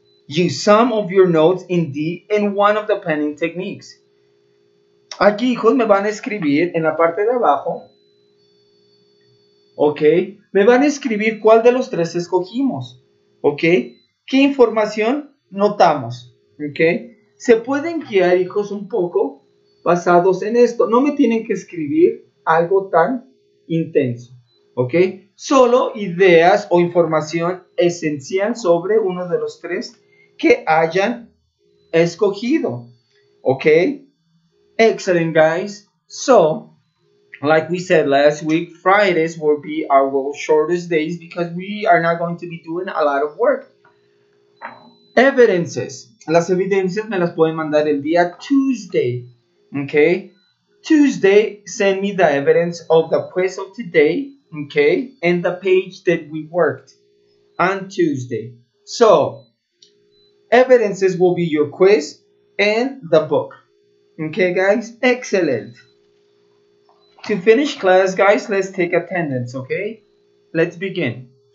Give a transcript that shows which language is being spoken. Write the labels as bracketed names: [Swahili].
[English] Use some of your notes in D in one of the planning techniques. [Spanish] Aquí, hijos, me van a escribir en la parte de abajo, ¿ok? Me van a escribir cuál de los tres escogimos, ¿ok? ¿Qué información notamos, ok? Se pueden guiar, hijos, un poco basados en esto. No me tienen que escribir algo tan intenso, ¿ok? Solo ideas o información esencial sobre uno de los tres que hayan escogido, ¿ok? [English] Excellent, guys. So, like we said last week, Fridays will be our shortest days because we are not going to be doing a lot of work. Evidences. [Spanish] Las evidencias me las pueden mandar el día Tuesday. [English] Okay, Tuesday, send me the evidence of the quiz of today, okay, and the page that we worked on Tuesday. So, evidences will be your quiz and the book. Okay, guys, excellent. To finish class, guys, let's take attendance, okay? Let's begin.